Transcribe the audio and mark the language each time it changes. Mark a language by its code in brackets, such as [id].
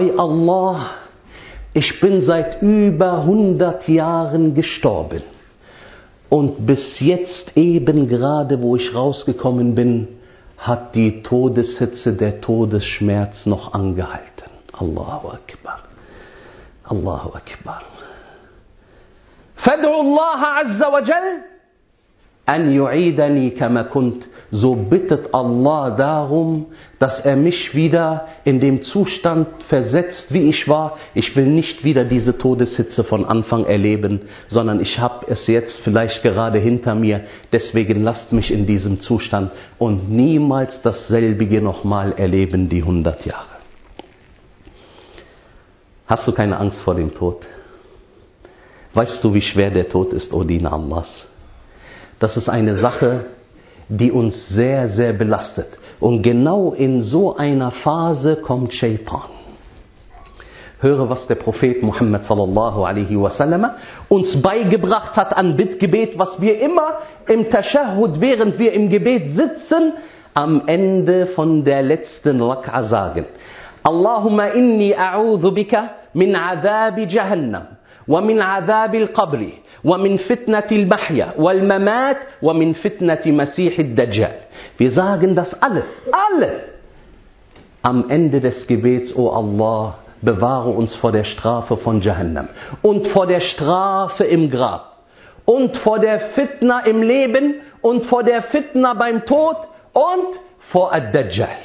[de] Bei Allah, ich bin seit über 100 Jahren gestorben. Und bis jetzt eben gerade, wo ich rausgekommen bin, hat die Todeshitze, der Todesschmerz noch angehalten. [ar] Allahu Akbar. Allahu Akbar. فَدْعُوا اللَّهَ عَزَّ وَجَلْ أن يعيدني كما كنت. [de] so bittet Allah darum, dass er mich wieder in dem Zustand versetzt, wie ich war. Ich will nicht wieder diese Todeshitze von Anfang erleben, sondern ich habe es jetzt vielleicht gerade hinter mir. Deswegen lasst mich in diesem Zustand und niemals dasselbige nochmal erleben, die 100 Jahre. Hast du keine Angst vor dem Tod? Weißt du, wie schwer der Tod ist, o Diener Allahs? Das ist eine Sache, die uns sehr, sehr belastet. Und genau in so einer Phase kommt Shaitan. Höre, was der Prophet Muhammad sallallahu alaihi wasallam uns beigebracht hat an Bittgebet, was wir immer im Tashahud, während wir im Gebet sitzen, am Ende von der letzten Rak'a sagen. [ar] Allahumma inni a'udhu bika min azabi jahannam. ومن عذاب القبر ومن فتنة المحيا والممات ومن فتنة مسيح الدجال. [de] Wir sagen das alle. Am Ende des Gebets, o Allah, bewahre uns vor der Strafe von Jahannam und vor der Strafe im Grab und vor der Fitna im Leben und vor der Fitna beim Tod und vor Ad-Dajjal.